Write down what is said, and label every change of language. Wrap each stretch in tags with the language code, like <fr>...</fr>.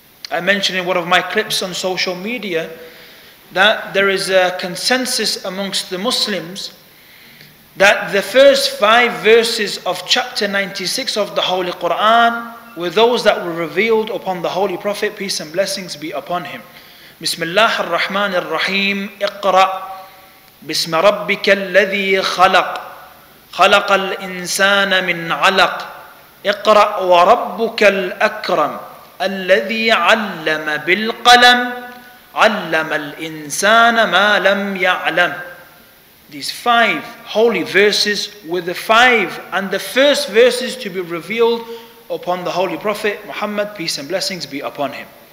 <en>I mentioned in one of my clips on social media that there is a consensus amongst the Muslims that the first five verses of chapter 96 of the Holy Quran were those that were revealed upon the Holy Prophet, peace and blessings be upon him.</en> <ar>Bismillah ar-Rahman ar-Rahim, iqra. بسم ربك الذي خلق خلق الإنسان من علق اقرأ وربك الأكرم الذي علم بالقلم علم الإنسان ما لم يعلم.</ar> <en>These five holy verses were the five and the first verses to be revealed upon the Holy Prophet Muhammad, peace and blessings be upon him.</en>